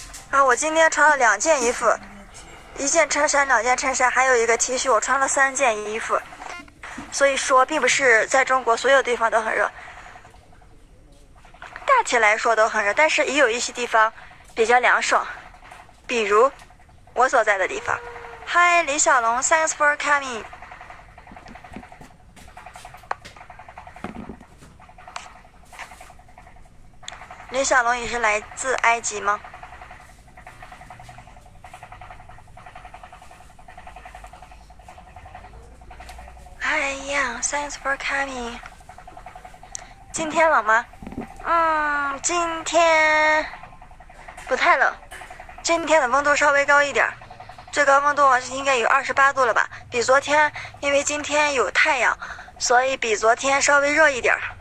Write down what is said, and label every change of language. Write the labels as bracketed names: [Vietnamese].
[Chinese] 然后我今天穿了2件衣服，一件衬衫，2件衬衫，还有一个 T 恤，我穿了3件衣服。所以说，并不是在中国所有地方都很热。大体来说都很热，但是也有一些地方比较凉爽，比如我所在的地方。 [English] Hi，李小龙，Thanks for coming。 [Chinese] 李小龙，你是来自埃及吗？哎呀， [English] Thanks for coming。 [Chinese] 今天冷吗？今天不太冷，今天的温度稍微高一点，最高温度应该有28度了吧？比昨天，因为今天有太阳，所以比昨天稍微热一点。